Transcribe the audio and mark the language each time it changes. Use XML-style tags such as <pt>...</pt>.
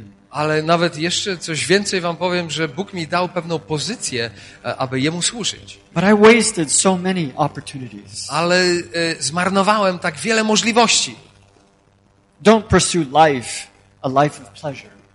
<pl>Ale nawet jeszcze coś więcej wam powiem, że Bóg mi dał pewną pozycję, aby Jemu służyć.</pl> <en>But I wasted so many opportunities.</en> <pl>Ale zmarnowałem tak wiele możliwości.</pl> <en>Don't pursue life, a life of pleasure.</en>